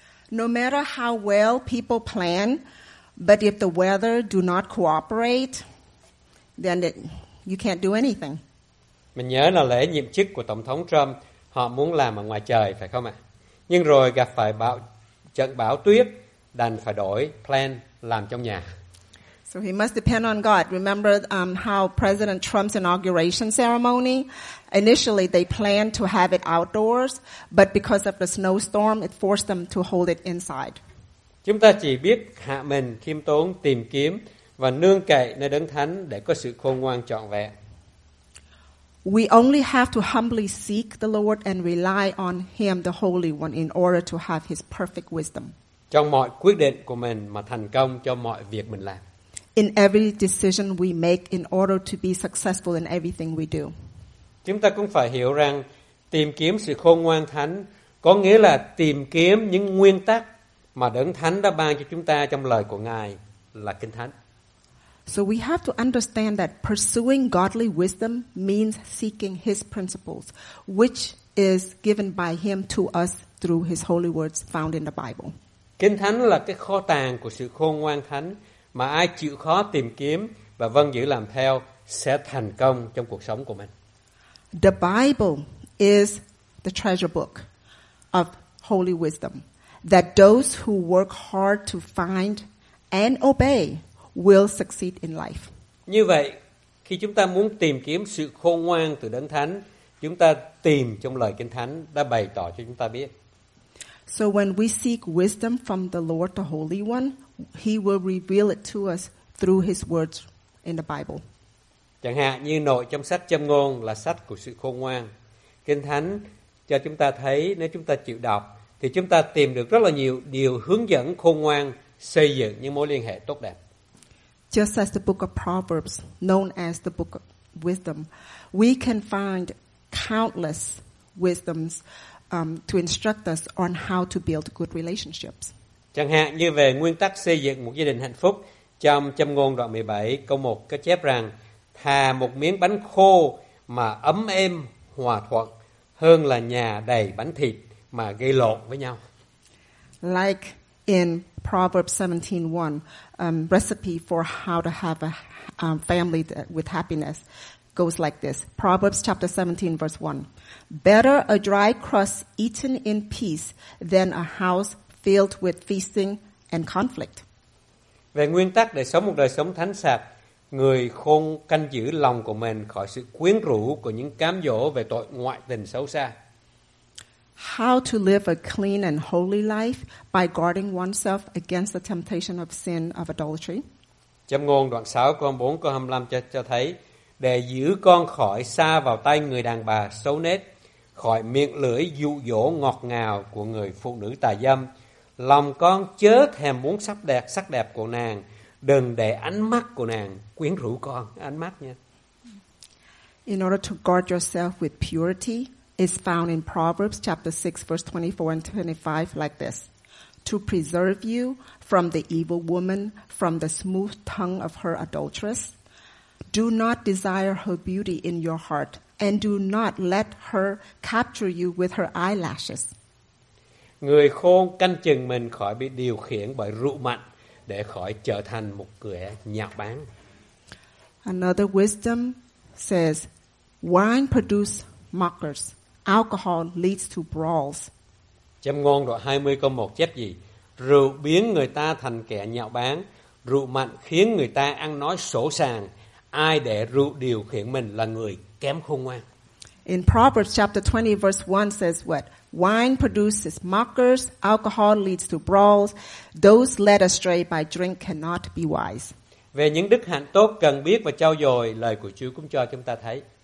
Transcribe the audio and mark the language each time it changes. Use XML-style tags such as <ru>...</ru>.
<en>No matter how well people plan, but if the weather do not cooperate, then you can't do anything.</en> <vi>Mình nhớ là lễ nhậm chức của Tổng thống Trump, họ muốn làm ở ngoài trời phải không ạ? Nhưng rồi gặp phải trận bão tuyết, đành phải đổi plan làm trong nhà.</vi> <en>So he must depend on God. Remember how President Trump's inauguration ceremony, initially they planned to have it outdoors, but because of the snowstorm, it forced them to hold it inside.</en> <vi>Chúng ta chỉ biết hạ mình, khiêm tốn, tìm kiếm và nương cậy nơi Đấng Thánh để có sự khôn ngoan trọn vẹn.</vi> <en>We only have to humbly seek the Lord and rely on him, the Holy One, in order to have his perfect wisdom.</en> <vi>Trong mọi quyết định của mình mà thành công cho mọi việc mình làm.</vi> <en>In every decision we make in order to be successful in everything we do.</en> <vi>Chúng ta cũng phải hiểu rằng tìm kiếm sự khôn ngoan thánh có nghĩa là tìm kiếm những nguyên tắc mà Đấng Thánh đã ban cho chúng ta trong lời của Ngài là Kinh Thánh.</vi> <en>So we have to understand that pursuing godly wisdom means seeking his principles, which is given by him to us through his holy words found in the Bible.</en> <vi>Kinh Thánh là cái kho tàng của sự khôn ngoan thánh mà ai chịu khó tìm kiếm và vâng giữ làm theo sẽ thành công trong cuộc sống của mình.</vi> <en>The Bible is the treasure book of holy wisdom that those who work hard to find and obey will succeed in life.</en> <vi>Như vậy, khi chúng ta muốn tìm kiếm sự khôn ngoan từ Đấng Thánh, chúng ta tìm trong lời Kinh Thánh đã bày tỏ cho chúng ta biết.</vi> <en>So when we seek wisdom from the Lord, the Holy One, He will reveal it to us through His words in the Bible.</en> <vi>Chẳng hạn như nội trong sách Châm Ngôn là sách của sự khôn ngoan. Kinh Thánh cho chúng ta thấy nếu chúng ta chịu đọc thì chúng ta tìm được rất là nhiều điều hướng dẫn khôn ngoan xây dựng những mối liên hệ tốt đẹp.</vi> <en>Just as the book of Proverbs, known as the book of wisdom, we can find countless wisdoms to instruct us on how to build good relationships.</en> <vi>Chẳng hạn như về nguyên tắc xây dựng một gia đình hạnh phúc, trong Châm Ngôn đoạn 17 câu 1 có chép rằng: Thà một miếng bánh khô mà ấm êm hòa thuận hơn là nhà đầy bánh thịt mà gây lộn với nhau.</vi> <en>Like in Proverbs 17:1, recipe for how to have a family with happiness goes like this. Proverbs chapter 17 verse 1. Better a dry crust eaten in peace than a house filled with feasting and conflict.</en> <vi>Về nguyên tắc để sống một đời sống thánh sạch, người khôn canh giữ lòng của mình khỏi sự quyến rũ của những cám dỗ về tội ngoại tình xấu xa.</vi> <en>How to live a clean and holy life by guarding oneself against the temptation of sin of adultery.</en> <vi>Châm Ngôn đoạn 6 câu 4 câu 25 cho thấy: Để giữ con khỏi xa vào tay người đàn bà xấu nết, khỏi miệng lưỡi dụ dỗ ngọt ngào của người phụ nữ tà dâm, lòng con chớ thèm muốn sắc đẹp của nàng, đừng để ánh mắt của nàng quyến rũ con. Ánh mắt nha.</vi> <en>In order to guard yourself with purity is found in Proverbs chapter 6 verse 24 and 25 like this. To preserve you from the evil woman, from the smooth tongue of her adulteress, do not desire her beauty in your heart, and do not let her capture you with her eyelashes.</en> <vi>Người khôn canh chừng mình khỏi bị điều khiển bởi rượu mạnh để khỏi trở thành một kẻ nhạo báng.</vi> <en>Another wisdom says, wine produces mockers, alcohol leads to brawls.</en> <vi>Châm Ngôn đoạn 20 câu 1 chép gì? Rượu biến người ta thành kẻ nhạo báng, rượu mạnh khiến người ta ăn nói sổ sàng. Ai để rượu điều khiển mình là người kém khôn ngoan.</vi> <en>In Proverbs chapter 20 verse 1 says what? Wine produces mockers, alcohol leads to brawls. Those led astray by drink cannot be wise.</en> <vi>Về những đức hạnh tốt cần biết và trau dồi, lời của Chúa cũng cho chúng ta thấy.</vi>